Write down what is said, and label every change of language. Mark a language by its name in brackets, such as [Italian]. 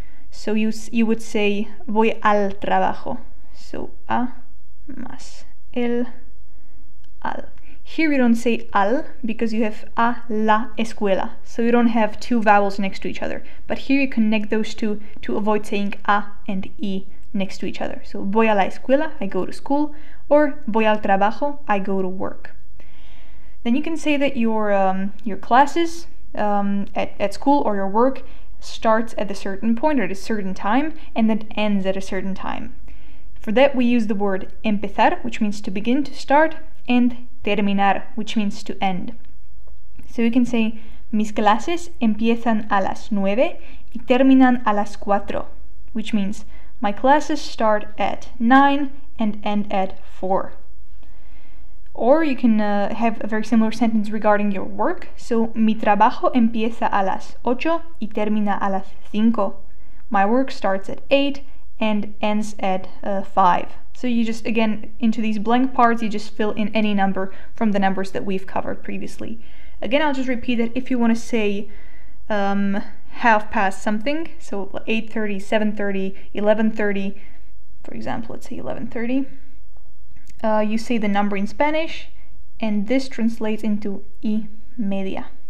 [English] So you would say [Spanish] voy al trabajo. [English] So a más el al. Here you don't say al because you have [Spanish] a la escuela. [English] So you don't have two vowels next to each other. But here you connect those two to avoid saying a and e next to each other. So [Spanish] voy a la escuela, [English] I go to school, or [Spanish] voy al trabajo, [English] I go to work. Then you can say that your classes at school or your work starts at a certain point or at a certain time, and then ends at a certain time. For that we use the word empezar, which means to begin, to start, and terminar, which means to end. So you can say [Spanish] mis clases empiezan a las 9 y terminan a las 4, [English] which means my classes start at 9 and end at 4. Or you can have a very similar sentence regarding your work. [Spanish] So, mi trabajo empieza a las 8 y termina a las 5. [English] My work starts at 8 and ends at 5. So you just, again, into these blank parts, you just fill in any number from the numbers that we've covered previously. Again, I'll just repeat that if you want to say half past something, so 8:30, 7:30, 11:30, for example, let's say 11:30, you say the number in Spanish, and this translates into [Spanish] y media.